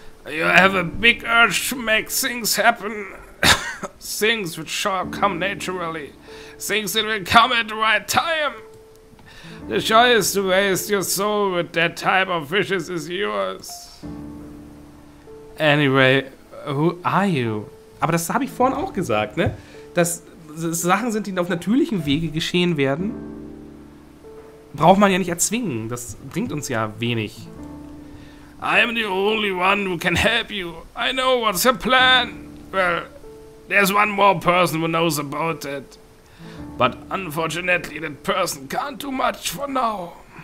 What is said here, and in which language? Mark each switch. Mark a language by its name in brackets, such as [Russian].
[English] You have a big urge to make things happen. Things which shall come naturally. Things that will come at the right time. The choice to waste your soul with that type of wishes is yours. Anyway, who are you? [German] Aber das habe ich vorhin auch gesagt, ne? Das Sachen sind, die auf natürlichen Wege geschehen werden, braucht man ja nicht erzwingen. Das bringt uns ja wenig. [English] I'm the only one who can help you. I know what's your plan. Well, there's one more person who knows about it. But unfortunately, that person can't do much for now.